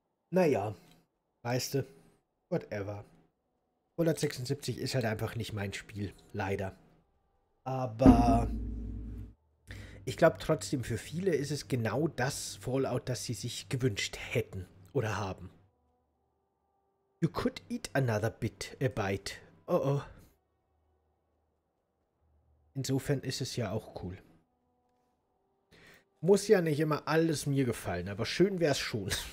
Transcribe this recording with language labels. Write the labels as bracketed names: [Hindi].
[German] Naja, weißt du, whatever. 176 ist halt einfach nicht mein Spiel, leider. Aber ich glaube trotzdem, für viele ist es genau das Fallout, das sie sich gewünscht hätten oder haben. [English] You could eat another bit, a bite. Oh. [German] Insofern ist es ja auch cool. Muss ja nicht immer alles mir gefallen, aber schön wäre es schon.